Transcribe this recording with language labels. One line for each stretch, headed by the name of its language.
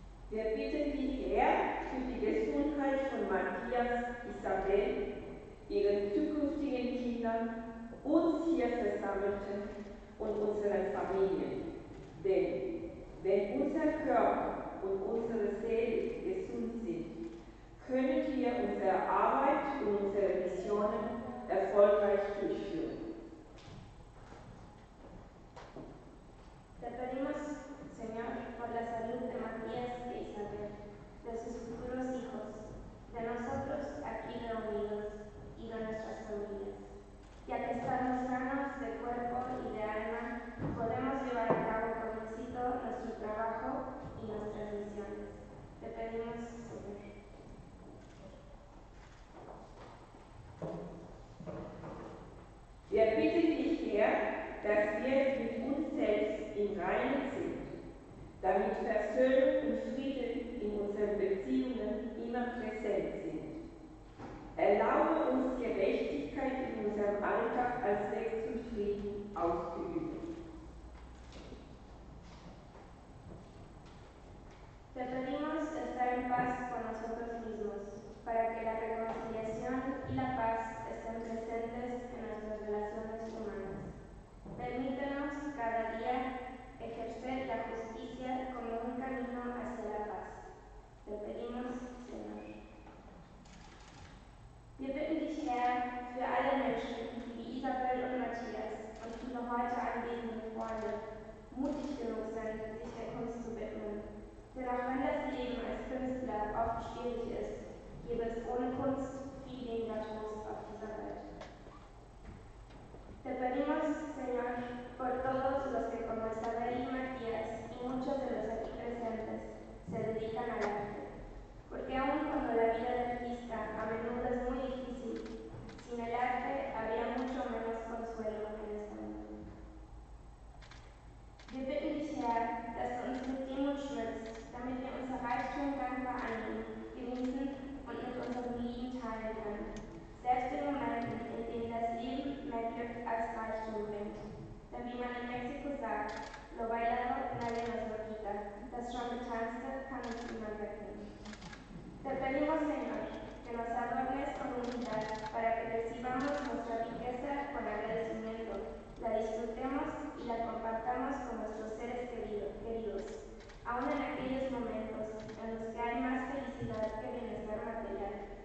German: Wir bitten dich, Herr, für die Gesundheit von Matthias, Isabel, ihren zukünftigen Kindern, uns hier Versammelten und unseren Familien. Denn wenn unser Körper und unsere Seele gesund sind, können wir unsere Arbeit und unsere Visionen erfolgreich durchführen.
Spanish: Te pedimos, Señor, por la salud de Matías e Isabel, de sus futuros hijos, de nosotros aquí reunidos y de nuestras familias. Ya que estamos sanos de cuerpo y de alma, podemos llevar a cabo con éxito nuestro trabajo y nuestras misiones. Te pedimos, Señor.
German: Wir bitten dich, Herr, dass wir mit uns selbst im Reinen sind, damit Versöhnung und Frieden in unseren Beziehungen immer präsent sind. Erlaube uns, Gerechtigkeit in unserem Alltag als Weg zum Frieden auszuüben.
Spanish: Te pedimos estar en paz con nosotros mismos, para que la reconciliación y la paz estén presentes en nuestras relaciones humanas. Permítanos cada día ejercer la justicia como un camino hacia la paz. Te pedimos, Señor.
German: Wir bitten dich, Herr, für alle Menschen, die Isabel und Matthias und viele heute anwesende Freunde mutig genug sind, sich der Kunst zu widmen. Denn auch wenn das Leben als Künstler oft schwierig ist, gebe es ohne Kunst viel weniger Trost auf dieser Welt.
Spanish: Te pedimos, Señor, por todos los que como Isabel y Matías y muchos de los aquí presentes se dedican al arte. Porque aun cuando la vida de artista a menudo es muy difícil, sin el arte habría mucho menos consuelo en este mundo.
German: Wir bitten dich, Herr, dass du uns mit Demut schmückst, damit wir unser Reichtum dankbar annehmen, genießen und mit unserem Leben teilen können. Selbst in Momenten, in denen das Leben mehr Glück als Reichtum bringt. Denn wie man in Mexiko sagt,
Spanish: lo bailado nadie nos lo quita.
German: Das schon Getanzte kann uns niemand wegnehmen.
Spanish: Te pedimos, Señor, que nos adornes con humildad para que recibamos nuestra riqueza con agradecimiento, la disfrutemos y la compartamos con nuestros seres queridos, aun en aquellos momentos en los que hay más felicidad que bienestar material.